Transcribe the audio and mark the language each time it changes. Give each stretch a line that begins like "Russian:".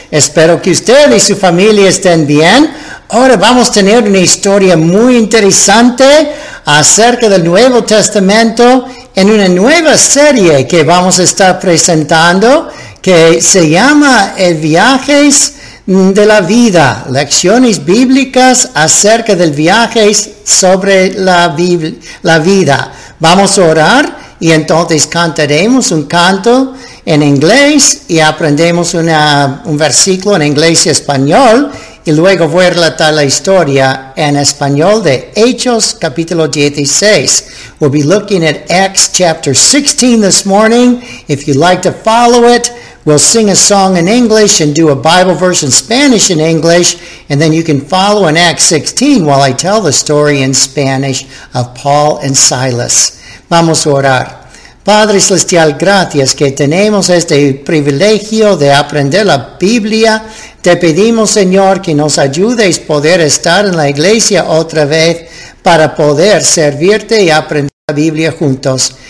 Spanish: Espero que usted y su familia estén bien. Ahora vamos a tener una historia muy interesante acerca del Nuevo Testamento en una nueva serie que vamos a estar presentando que se llama El Viajes de la Vida, lecciones bíblicas acerca del viaje sobre la vida. Vamos a orar y entonces cantaremos un canto en inglés y aprendemos un versículo en inglés y español. Y luego voy a relatar la historia en español de Hechos capítulo 16.
English: We'll be looking at Acts chapter 16 this morning. If you'd like to follow it, we'll sing a song in English and do a Bible verse in Spanish in English. And then you can follow in Acts 16 while I tell the story in Spanish of Paul and Silas.
Spanish: Vamos a orar. Padre Celestial, gracias que tenemos este privilegio de aprender la Biblia. Te pedimos, Señor, que nos ayudes a poder estar en la iglesia otra vez para poder servirte y aprender la Biblia juntos.